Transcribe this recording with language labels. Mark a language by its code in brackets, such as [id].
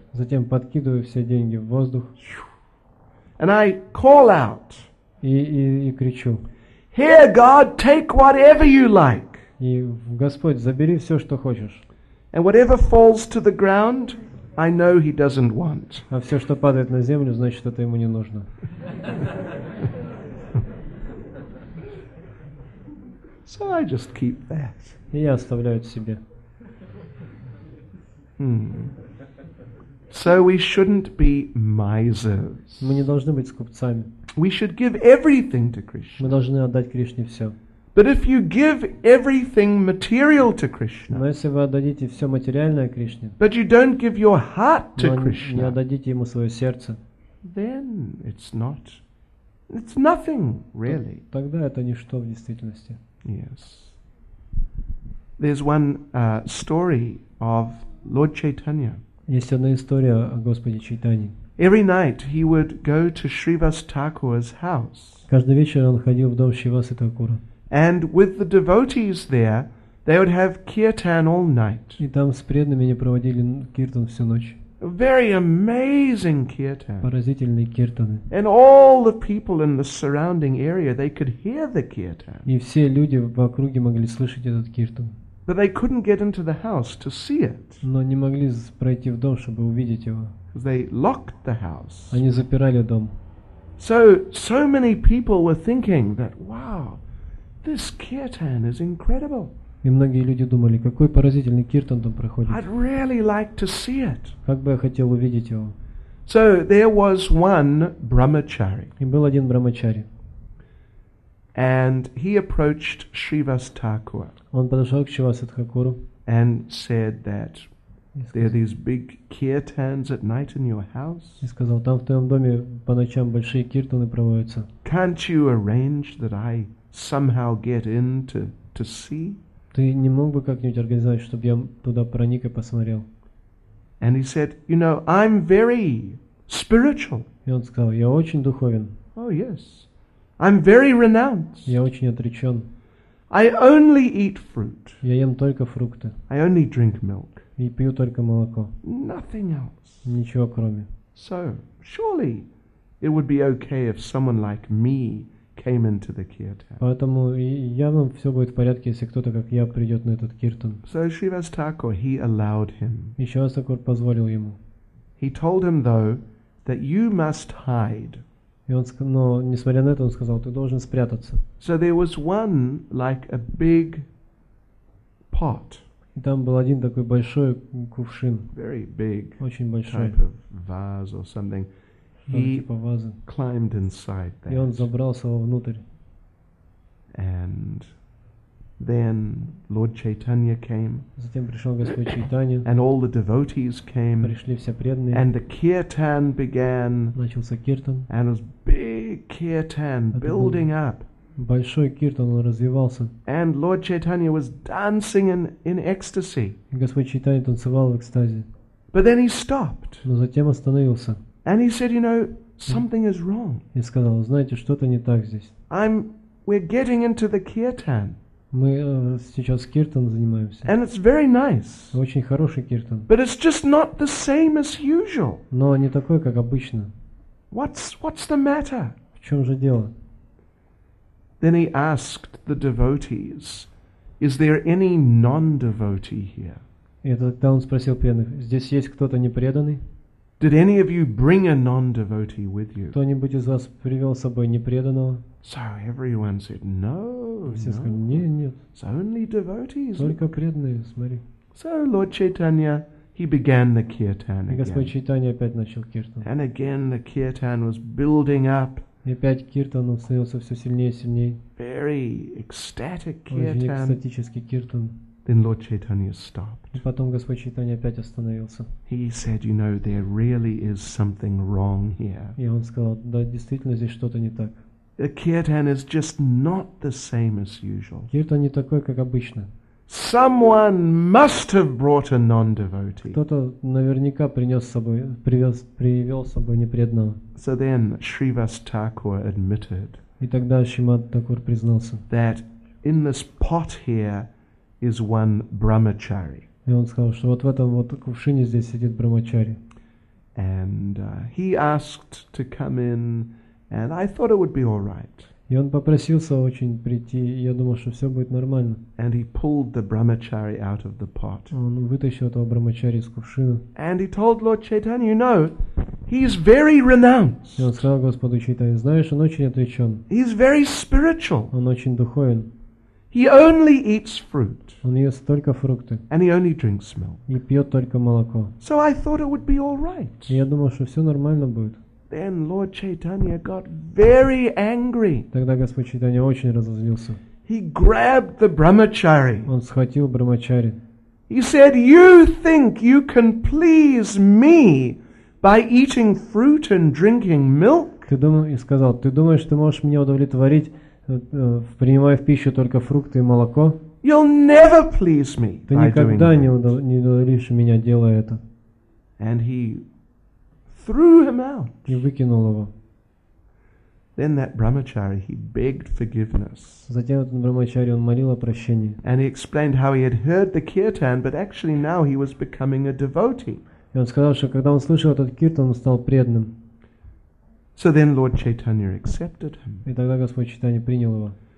[ru] Затем подкидываю все деньги в воздух. [en] And I call out. [ru] И кричу. [en] Here, God, take whatever you like. [ru] И Господь, забери все, что хочешь. [en] And whatever falls to the ground, I know He doesn't want. [ru] А все, что падает на землю, значит, это ему не нужно. [en] So I just keep that. [ru] И я оставляю это себе. [en] So we shouldn't be misers. [ru] Мы не должны быть скупцами. [en] We should give everything to Krishna. [ru] Мы должны отдать Кришне все. [en] But if you give everything material to Krishna. [ru] Но если вы отдадите все материальное Кришне. [en] But you don't give your heart to Krishna. [ru] Не отдадите ему свое сердце. [en] Then it's nothing really. [ru] Тогда это ничто в действительности. [en] Yes. There's one story of Lord Chaitanya. [ru] Есть одна история о Господе Чайтане. [en] Every night he would go to Shrivas Thakur's house. [ru] Каждый вечер он ходил в дом Шривасы Такура. [en] And with the devotees there, they would have kirtan all night. [ru] И там с преданными они проводили киртан всю ночь. [en] Very amazing kirtan. [ru] Поразительные киртаны. [en] And all the people in the surrounding area, they could hear the kirtan. [ru] И все люди в округе могли слышать этот киртан. [en] But they couldn't get into the house to see it. [ru] Но не могли пройти в дом, чтобы увидеть его. [en] They locked the house. [ru] Они запирали дом. [en] So many people were thinking that, wow, this kirtan is incredible. [ru] И многие люди думали, какой поразительный киртан там проходит. [en] I'd really like to see it. [ru] Как бы я хотел увидеть его. [en] So there was one brahmachari. [ru] И был один брахмачари. [en] And he approached Shrivas Thakur. [ru] Он подошел к Шривасе Такуру. [en] And said that. There are these big kirtans at night in your house. [ru] И сказал, там в твоем доме по ночам большие киртаны проводятся. [en] Can't you arrange that I somehow get in to see? [ru] Ты не мог бы как-нибудь организовать, чтобы я туда проник и посмотрел? [en] And he said, you know, I'm very spiritual. [ru] И он сказал, я очень духовен. [en] Oh yes, I'm very renounced. [ru] Я очень отречен. [en] I only eat fruit. [ru] Я ем только фрукты. [en] I only drink milk. [ru] И пью только молоко. [en] Nothing else. [ru] Ничего кроме. [en] So, surely it would be okay if someone like me came into the kirtan. [ru] Поэтому явно все будет в порядке, если кто-то как я придет на этот киртан. [en] So Shrivas Thakur, he allowed him. [ru] И Шривас Такур позволил ему. [en] He told him though that you must hide. [ru] И он, но несмотря на это, он сказал, ты должен спрятаться. [en] So there was one like a big pot. [ru] И там был один такой большой кувшин. [en] Very big. [ru] Очень большой. [en] Type of vase or something. [ru] He типа вазы. [en] Climbed inside that. [ru] И он забрался вовнутрь. [en] And then Lord Chaitanya came. [ru] Затем пришел Господь Чайтанья. [en] And all the devotees came. [ru] Пришли все преданные. [en] And the kirtan began. [ru] Начался киртан. [en] And it was big kirtan building up. [ru] Большой киртан развивался. [en] And Lord Chaitanya was dancing in ecstasy. [ru] И Господь Чайтанья танцевал в экстазе. [en] But then he stopped. [ru] Но затем остановился. [en] And he said, you know, something is wrong. [ru] И сказал, знаете, что-то не так здесь. [en] We're getting into the kirtan. [ru] Мы сейчас киртан занимаемся. [en] And it's very nice. [ru] Очень хороший киртан. [en] But it's just not the same as usual. [ru] Но не такой, как обычно. [en] What's the matter? [ru] В чем же дело? [en] Then he asked the devotees, "Is there any non-devotee here?" [ru] И тогда он спросил преданных: "Здесь есть кто-то непреданный?" [en] Did any of you bring a non-devotee with you? [ru] Кто-нибудь из вас привел с собой непреданного? [en] So everyone said, no, [ru] все [en] no. [ru] Сказали, нет, нет. [en] It's only devotees. [ru] Только преданные, смотри. [en] So Lord Chaitanya, he began the kirtan again. [ru] И Господь Чайтанья опять начал киртан. [en] And again the kirtan was building up. [ru] И опять киртан становился все сильнее и сильнее. [en] Very ecstatic kirtan. [ru] Очень экстатический киртан. [en] Then Lord Chaitanya stopped. [ru] И потом Господь Чайтанья опять остановился. [en] He said, you know, there really is something wrong here. [ru] И он сказал, да, действительно здесь что-то не так. [en] The kirtan is just not the same as usual. [ru] Киртан не такой, как обычно. [en] Someone must have brought a non-devotee. [ru] Кто-то наверняка принес с собой, привел с собой непреданного. [en] So then Shrivas Thakur admitted. [ru] И тогда Шримад Такур признался. [en] That in this pot here is one brahmachari. [ru] И он сказал, что вот в этом вот кувшине здесь сидит брахмачари. [en] And he asked to come in, and I thought it would be all right. [ru] И он попросился очень прийти, и я думал, что все будет нормально. [en] And he pulled the brahmachari out of the pot. [ru] Он вытащил этого брахмачари из кувшина. [en] And he told Lord Chaitanya, you know, he's very renounced. [ru] И он сказал Господу Чайтанье, знаешь, он очень отречен. [en] He's very spiritual. [ru] Он очень духовен. [en] He only eats fruit. [ru] Он ест только фрукты. [en] And he only drinks milk. [ru] И пьет только молоко. [en] So I thought it would be all right. [ru] И я думал, что все нормально будет. [en] Then Lord Chaitanya got very angry. [ru] Тогда Господь Чайтанья очень разозлился. [en] He grabbed the brahmachari. [ru] Он схватил брахмачари. [en] He said, "You think you can please me by eating fruit and drinking milk?" [ru] Сказал, ты думаешь, ты можешь меня удовлетворить? Принимая в пищу только фрукты и молоко, [en] you'll never please me. [ru] Ты никогда не удовлетворишь меня, делая это. [en] And he threw him out. [ru] И выкинул его. [en] Then that brahmachari, he begged forgiveness. [ru] Затем этот брахмачари, он молил о прощении. [en] And he explained how he had heard the kirtan, but actually now he was becoming a devotee. [ru] И он сказал, что когда он слышал этот киртан, он стал преданным. [en] So then Lord Chaitanya accepted him. [ru] И тогда Господь Чайтанья принял его.